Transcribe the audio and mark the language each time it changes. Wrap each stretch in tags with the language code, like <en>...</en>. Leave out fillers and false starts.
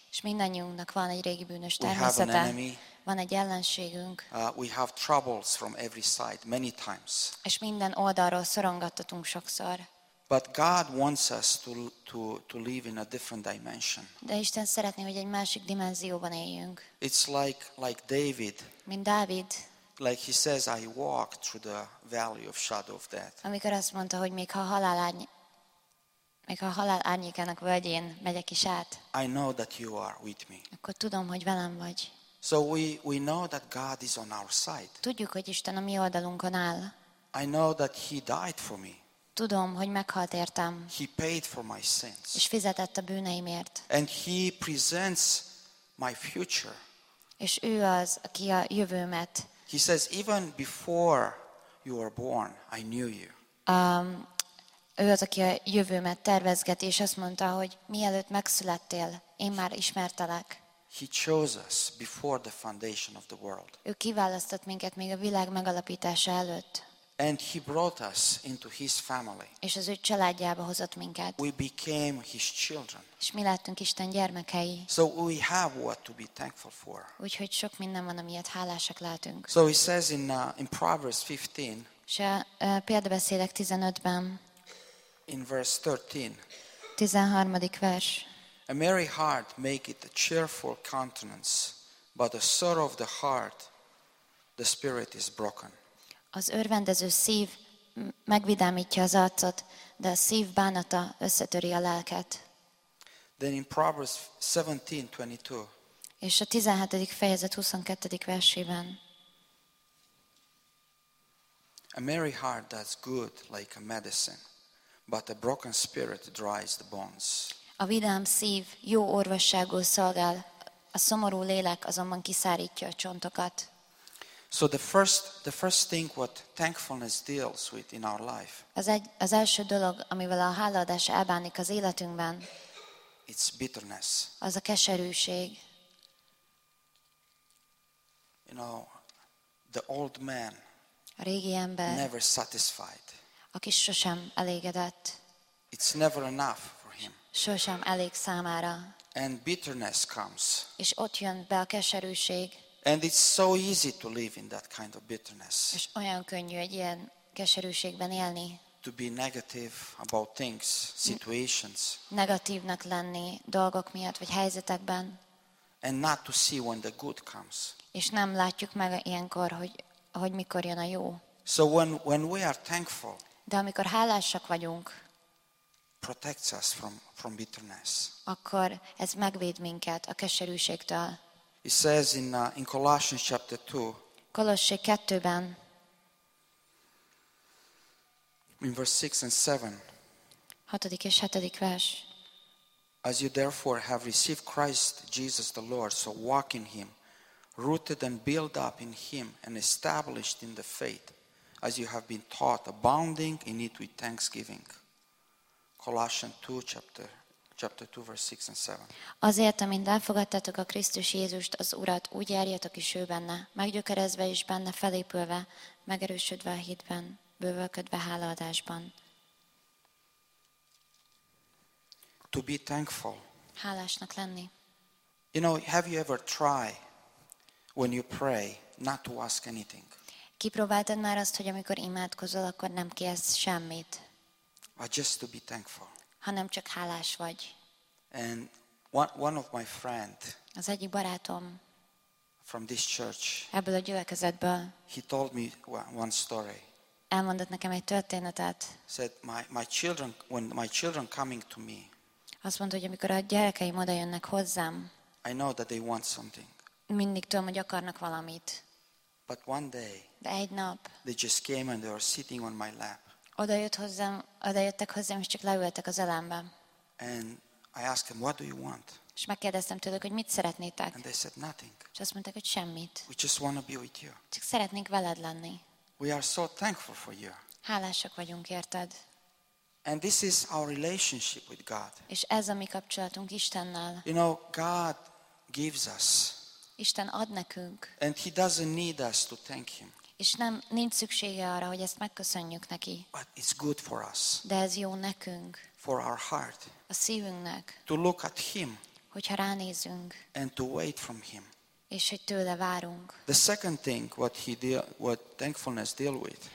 <hu>És mindannyiunknak van egy régi bűnös természete.</hu> <en>We have an enemy.</en> <hu>Van egy ellenségünk.</hu> <en>We have troubles from every side many times.</en> <hu>És minden oldalról szorongattatunk sokszor.</hu> <en>But God wants us to live in a different dimension.</en> <hu>De Isten szeretné, hogy egy másik dimenzióban éljünk.</hu> <en>It's like David.</en> <hu>Mint Dávid.</hu> <en>Like he says, I walk through the valley of shadow of death.</en> <hu>Amikor azt mondta, hogy még ha halál árnyékának völgyén megyek is át.</hu> <en>I know that you are with me.</en> <hu>Akkor tudom, hogy velem vagy.</hu> <en>So we know that God is on our side.</en> <hu>Tudjuk, hogy Isten a mi oldalunkon áll.</hu> <en>I know that he died for me.</en> <hu>Tudom, hogy meghalt értem.</hu> <en>He paid for my sins.</en> <hu>És fizetett a bűneimért.</hu> <en>And he presents my future.</en> <hu>És ő az, aki a jövőmet.</hu> <en>He says, even before you were born, I knew you.</en> <hu>Ő az, aki a jövőmet tervezget, és azt mondta, hogy mielőtt megszülettél, én már ismertelek.</hu> <en>He chose us before the foundation of the world.</en> <hu>Ő kiválasztott minket még a világ megalapítása előtt.</hu> <en>And he brought us into his family.</en> <hu>És az ő családjába hozott minket.</hu> <en>We became his children.</en> <hu>És mi lettünk Isten gyermekei.</hu> <en>So we have what to be thankful for.</en> <hu>Úgyhogy sok minden van, amiért hálásak lehetünk.</hu> <en>So he says in Proverbs 15.</en> <hu>És a Példabeszélek 15-ben.</hu> <en>In verse 13.</en> <hu>13. vers.</hu> <en>A merry heart maketh a cheerful countenance, but the sorrow of the heart, the spirit is broken.</en> <hu>Az örvendező szív megvidámítja az arcot, de a szív bánata összetöri a lelket.</hu> <en>Then in Proverbs 17:22.</en> <hu>És a 17. fejezet 22. versében.</hu> <en>A merry heart does good like a medicine, but a broken spirit dries the bones.</en> <hu>A vidám szív jó orvosságul szolgál, a szomorú lélek azonban kiszárítja a csontokat.</hu> <en>So the first thing what thankfulness deals with in our life.</en> <hu>Az első dolog, amivel a hálaadás elbánik az életünkben.</hu> <en>It's bitterness.</en> <hu>Az a keserűség.</hu> <en>You know, the old man.</en> <hu>A régi ember.</hu> <en>Never satisfied.</en> <hu>Aki sosem elégedett.</hu> <en>It's never enough for him.</en> <hu>Sosem elég számára.</hu> <en>And bitterness comes.</en> <hu>És ott jön be a keserűség.</hu> <en>And it's so easy to live in that kind of bitterness.</en> <hu>És olyan könnyű egy ilyen keserűségben élni.</hu> <en>To be negative about things, situations.</en> <hu>Negatívnak lenni dolgok miatt vagy helyzetekben.</hu> <en>And not to see when the good comes.</en> <hu>És nem látjuk meg ilyenkor, hogy mikor jön a jó.</hu> <en>So when we are thankful.</en> <hu>De amikor hálásak vagyunk.</hu> <en>Protects us from bitterness.</en> <hu>Akkor ez megvéd minket a keserűségtől.</hu> <en>It says in Colossians chapter 2.</en> <hu>Kolossé 2-ben.</hu> <en>In verse 6 and 7.</en> <hu>6. és 7. vers.</hu> <en>As you therefore have received Christ Jesus the Lord, so walk in him, rooted and built up in him and established in the faith, as you have been taught, abounding in it with thanksgiving. Colossians 2 chapter 2 verse 6 and 7.</en> <hu>Azért, amint elfogadtátok a Krisztus Jézust, az Urat, úgy járjatok is ő benne, meggyökerezve és benne felépülve, megerősödve a hitben, bővölködve hálaadásban.</hu> <en>To be thankful.</en> <hu>Hálásnak lenni.</hu> <en>You know, have you ever tried when you pray not to ask anything?</en> <hu>Kipróbáltad már azt, hogy amikor imádkozol, akkor nem kérsz semmit?</hu> <en>But just to be thankful.</en> <hu>Hanem csak hálás vagy.</hu> <en>And one of my friend.</en> <hu>Az egyik barátom.</hu> <en>From this church.</en> <hu>Ebből a gyülekezetből.</hu> <en>He told me one story.</en> <hu>Elmondott nekem egy történetet.</hu> <en>Said my children, when my children coming to me.</en> <hu>Azt mondta, hogy amikor a gyerekeim oda jönnek hozzám.</hu> <en>I know that they want something.</en> <hu>Mindig tudom, hogy akarnak valamit.</hu> <en>But one day.</en> <hu>De egy nap.</hu> <en>They just came and they were sitting on my lap.</en> <hu>Odajöttek hozzám, és csak leültek az ölembe.</hu> <en>And I asked them, what do you want?</en> <hu>És megkérdeztem tőlük, hogy mit szeretnétek.</hu> <en>And they said nothing.</en> <hu>És azt mondták, hogy semmit.</hu> <en>We just want to be with you.</en> <hu>Csak szeretnénk veled lenni.</hu> <en>We are so thankful for you.</en> <hu>Hálásak vagyunk érted.</hu> <en>And this is our relationship with God.</en> <hu>És ez a mi kapcsolatunk Istennel.</hu> <en>You know, God gives us.</en> <hu>Isten ad nekünk.</hu> <en>And he doesn't need us to thank him.</en> <hu>És nem, nincs szüksége arra, hogy ezt megköszönjük neki.</hu> <en>But it's good for us.</en> <hu>De ez jó nekünk.</hu> <en>For our heart.</en> <hu>A szívünknek.</hu> <en>To look at him.</en> <hu>Hogyha ránézünk.</hu> <en>And to wait from him.</en> <hu>És hogy tőle várunk.</hu> <en>The second thing what thankfulness deal with.</en>